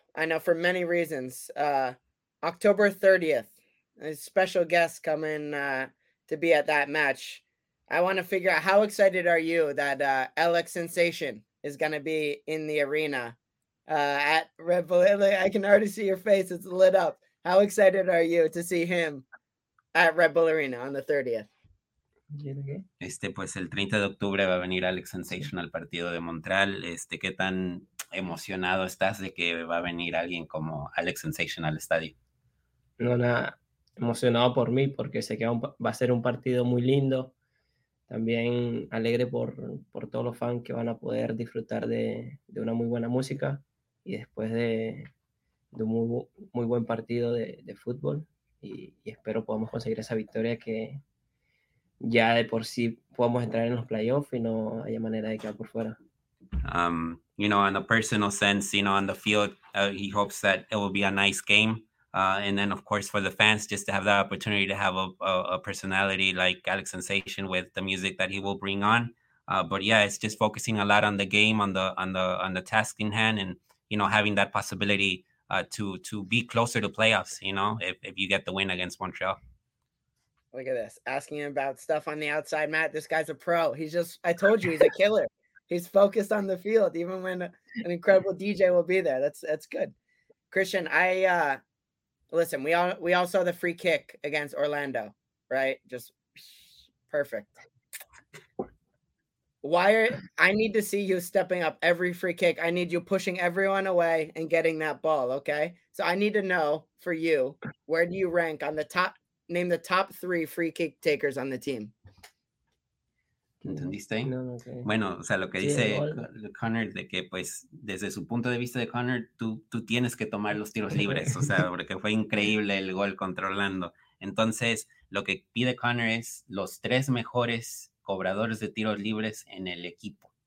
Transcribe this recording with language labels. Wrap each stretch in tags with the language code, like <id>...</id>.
<en>I know for many reasons. October 30th, a special guest coming to be at that match. I want to figure out how excited are you that LX Sensation is going to be in the arena at Red Bull. I can already see your face. It's lit up. How excited are you to see him at Red Bull Arena on the 30th?</en> <es>Pues el 30 de octubre va a venir Alex Sensation al partido de Montreal. ¿Qué tan emocionado estás de que va a venir alguien como Alex Sensation al estadio? No, nada, emocionado por mí porque sé que va a ser un partido muy lindo. También alegre por todos los fans que van a poder disfrutar de una muy buena música y después de un muy, muy buen partido de fútbol. Y espero podamos conseguir esa victoria que ya de por sí podemos entrar en los playoffs y no haya manera de quedar por fuera.</es> <en>You know, in a personal sense, you know, on the field, he hopes that it will be a nice game. And then, of course, for the fans, just to have the opportunity to have a personality like Alex Sensation with the music that he will bring on. But yeah, it's just focusing a lot on the game, on the task in hand, and you know, having that possibility to be closer to playoffs. You know, if you get the win against Montreal. Look at this, asking about stuff on the outside, Matt. This guy's a pro. I told you, he's a killer. He's focused on the field, even when an incredible DJ will be there. That's good, Christian. Listen, we all saw the free kick against Orlando, right? Just perfect. I need to see you stepping up every free kick. I need you pushing everyone away and getting that ball, okay? So I need to know for you, where do you rank on the top? Name the top three free kick takers on the team.</en> <es>¿Entendiste? No, okay. Bueno, o sea, lo que dice Connor, de que pues desde su punto de vista de Connor, tú tienes que tomar los tiros libres, o sea, porque fue increíble el gol contra Orlando. Entonces, lo que pide Connor es los tres mejores cobradores de tiros libres en el equipo.</es>